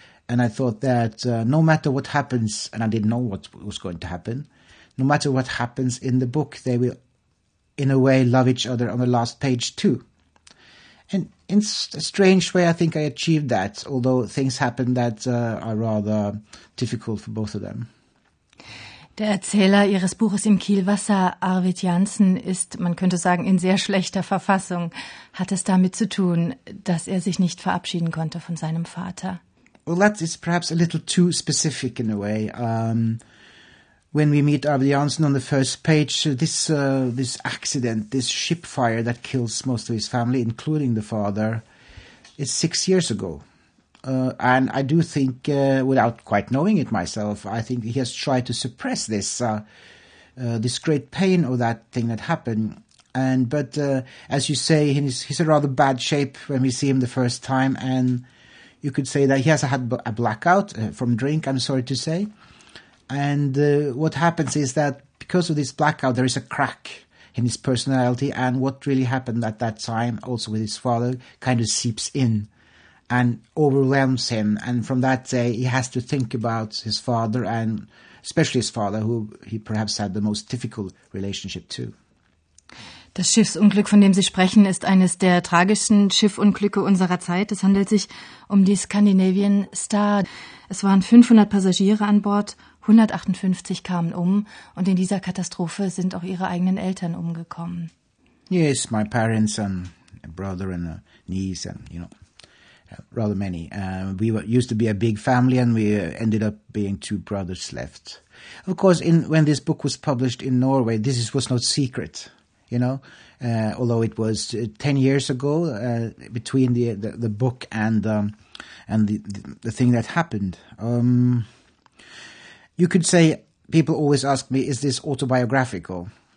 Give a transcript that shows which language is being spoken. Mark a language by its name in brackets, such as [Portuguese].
[English] And I thought that no matter what happens, and I didn't know what was going to happen, no matter what happens in the book, they will, in a way, love each other on the last page too. And in a strange way, I think I achieved that, although things happen that are rather difficult for both of them. [German] Der Erzähler Ihres Buches Im Kielwasser, Arvid Jansson, ist, man könnte sagen, in sehr schlechter Verfassung. Hat es damit zu tun, dass er sich nicht verabschieden konnte von seinem Vater? [English] Well, that is perhaps a little too specific in a way. When we meet Arvid Jansson on the first page, this accident, this ship fire that kills most of his family, including the father, is 6 years ago. And I do think, without quite knowing it myself, I think he has tried to suppress this this great pain of that thing that happened. But as you say, he's a rather bad shape when we see him the first time, and you could say that he has had a blackout from drink, I'm sorry to say. And what happens is that because of this blackout, there is a crack in his personality. And what really happened at that time, also with his father, kind of seeps in and overwhelms him. And from that day, he has to think about his father, and especially his father, who he perhaps had the most difficult relationship to. [German] Das Schiffsunglück, von dem Sie sprechen, ist eines der tragischsten Schiffunglücke unserer Zeit. Es handelt sich um die Scandinavian Star. Es waren 500 Passagiere an Bord, 158 kamen um und in dieser Katastrophe sind auch Ihre eigenen Eltern umgekommen. [English] Yes, my parents and a brother and a niece and, you know, rather many. We used to be a big family and we ended up being two brothers left. Of course, when this book was published in Norway, this was no secret. You know, although it was 10 years ago between the book and the thing that happened, you could say people always ask me, is this autobiographical?